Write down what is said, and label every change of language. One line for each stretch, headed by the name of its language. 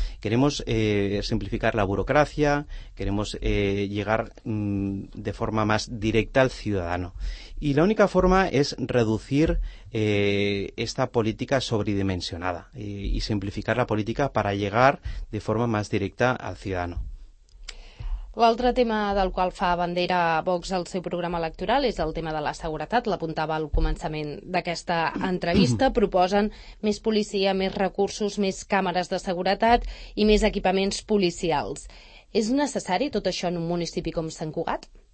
Spanish: Queremos simplificar la burocracia, queremos llegar de forma más directa al ciudadano. Y la única forma es reducir esta política sobredimensionada y simplificar la política para llegar de forma más directa al ciudadano.
Catalan: L'altre tema del qual fa bandera Vox al seu programa electoral és el tema de la seguretat. L'apuntava al començament d'aquesta entrevista. Proposen més policia, més recursos, més càmeres de seguretat i més equipaments policials.
Spanish: ¿Es necesario todo eso en un municipio como San Cugat?